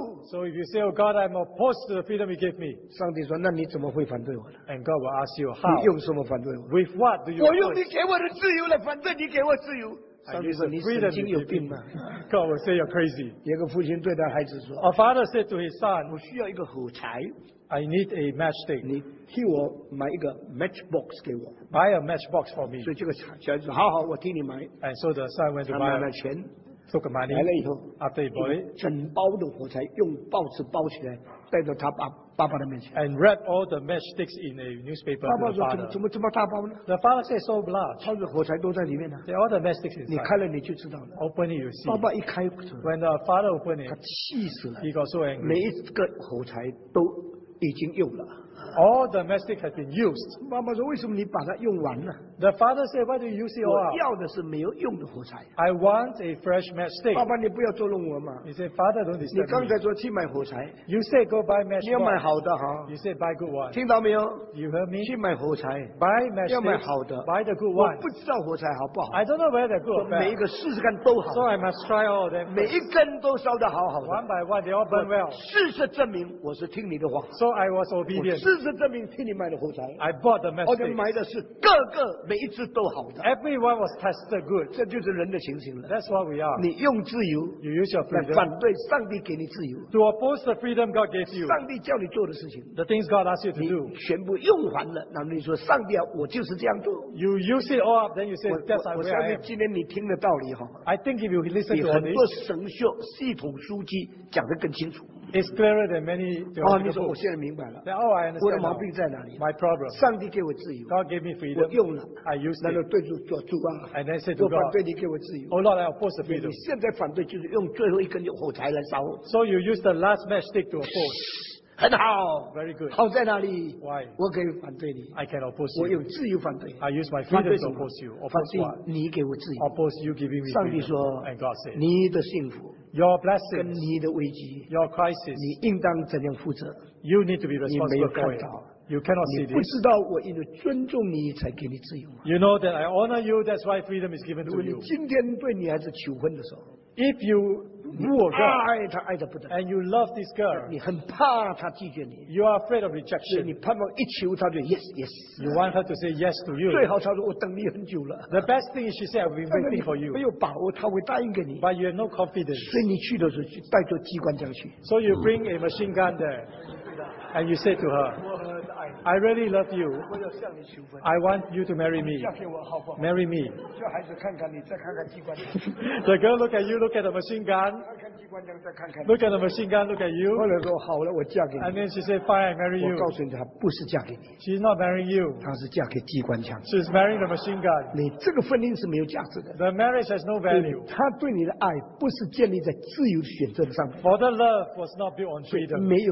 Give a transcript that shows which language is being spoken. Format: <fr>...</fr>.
<en>So if you say, oh God, I'm opposed to the freedom you gave me.</en> <zh>上帝说，那你怎么会反对我呢？</zh> <en>And God will ask you, how?</en> <zh>你用什么反对我？</zh> <en>With what do you oppose?</en> <zh>我用你给我的自由来反对你给我自由。上帝说你神经有病吗？</zh> <en>God will say you're crazy.</en> <zh>有个父亲对他孩子说，</zh> <en>A father said to his son,</en> <zh>我需要一个火柴。</zh> <en>I need a matchstick.</en> <zh>你替我买一个 matchbox 给我。</zh> <en>Buy a matchbox for me.</en> <zh>所以这个小孩子说好好，我替你买。</zh> <en>And so the son went to buy.</en> <zh>他拿了钱，</zh> <en>took money.</en> <zh>来了以后，</zh> <en>after he bought it,</en> <zh>整包的火柴用报纸包起来， 带到他爸爸的面前。</zh> <en>And wrapped all the matchsticks in a newspaper.</en> <zh>爸爸说怎么这么大包呢？</zh> <en>The father said so large.</en> <zh>超级火柴都在里面呢。</zh> <en>They all the matchsticks inside.</en> <zh>你开了你就知道了。</zh> <en>Open it, you see.</en> <zh>爸爸一开，</zh> <en>When the father opened it,</en> <zh>他气死了。</zh> <en>He got so angry.</en> <zh>每一个火柴都已经用了。</zh> <en>All the mastic had been used.</en> <zh>妈说, 为什么你把它用完了?</zh> <en>The father said, why do you use it all?</en> <zh>我要的是没有用的火柴。</zh> <en>I want a fresh matchstick.</en> <zh>爸爸,你不要捉弄我嘛。</zh> <en>He said, father, don't disturb me.</en> <zh>你刚才说去买火柴。</zh> <en>You said, go buy matchstick.</en> <zh>你要买好的。</zh> <en>You said, buy good one.</en> <zh>听到没有?</zh> <en>You heard me?</en> <zh>去买火柴。</zh> <en>Buy matchstick.</en> <zh>要买好的。</zh> <en>Buy the good one.</en> <zh>我不知道火柴好不好。</zh> <en>I don't know whether they're good or bad.</en> <zh>每一个试试看都好。</zh> <en>So I must try all of them.</en> <zh>每一根都烧得好好的。</zh> <en>One by one, they all burn well.</en> <zh>事实证明我是听你的话。</zh> <en>So I was obedient.</en> <zh>事实证明听你买的火柴。</zh> <en>I bought the matchstick.</en> <zh>而且买的是个个每一只都好的。</zh> <en>Everyone was tested good.</en> <zh>这就是人的情形了。</zh> <en>That's what we are.</en> <zh>你用自由。</zh> <en>You use your freedom.</en> <zh>来反对上帝给你自由。</zh> <en>To oppose the freedom God gave you.</en> <zh>上帝叫你做的事情。</zh> <en>The things God asked you to do.</en> <zh>你全部用完了，那你说上帝啊，我就是这样做。</zh> <en>You use it all up, then you say, that's how I am.</en> <zh>我相信今天你听的道理哈。</zh> <en>I think if you listen to all this.</en> <zh>比很多神学系统书籍讲得更清楚。</zh> <en>It's clearer than many.</en> <zh>你说我现在明白了。</zh> <en>Now I understand.</en> <zh>我的毛病在哪里?</zh> <en>My problem.</en> <zh>上帝给我自由。</zh> <en>God gave me freedom.</en> <zh>我用了。</zh> <en>I used it.</en> <zh>那就对住主啊。</zh> <en>And then said to God.</en> <zh>我反对你给我自由。</zh> <en>Oh Lord, I oppose the freedom.</en> <zh>你现在反对就是用最后一根火柴来烧。</zh> <en>So you use the last matchstick to oppose.</en> <zh>很好</zh> <en>，Very good。</en> <zh>好在哪里</zh> <en>？Why？</en> <zh>我可以反对你</zh> <en>，I can oppose you。</en> <zh>我用自由反对</zh> <en>，I use my freedom to oppose you。 Oppose what？</en> <zh>你给我自由</zh> <en>，Oppose you giving me freedom。</en> <zh>上帝说</zh> <en>，And God said，</en> <zh>你的幸福</zh> <en>，Your blessing，</en> <zh>跟你的危机</zh> <en>，Your crisis，</en> <zh>你应当怎样负责</zh> <en>？You need to be responsible。</en> <zh>你没有看到。</zh> <en>You cannot see this.</en> <zh>你不知道我因为尊重你才给你自由吗？</zh> <en>You know that I honor you. That's why freedom is given to you.</en> <zh>如果你今天对女孩子求婚的时候，</zh> <en>if you woo a girl,</en> <zh>爱她爱得不得了，</zh> <en>and you love this girl,</en> <zh>你很怕她拒绝你，</zh> <en>you are afraid of rejection.</en> <zh>你盼望一求她就</zh> <en>yes yes. You want her to say yes to you.</en> <zh>最好她说我等你很久了。</zh> <en>The best thing is she said I've been waiting for you.</en> <zh>没有把握她会答应给你。</zh> <en>But you have no confidence.</en> <zh>所以你去的时候带着机关枪去。</zh> <en>So you bring a machine gun there. And you said to her, I really love you. I want you to marry me. Marry me. The girl look at you, look at the machine gun. Look at the machine gun, look at you.</en> <zh>后来说好了，我嫁给你。</zh> <en>And then she said, fine, I marry you.</en> <zh>我告诉你，她不是嫁给你。</zh> <en>She's not marrying you.</en> <zh>她是嫁给机关枪。</zh> <en>She's marrying the machine gun.</en> <zh>你这个婚姻是没有价值的。</zh> <en>The marriage has no value.</en> <zh>她对你的爱不是建立在自由选择上面。</zh> <en>For the love was not built on freedom.</en>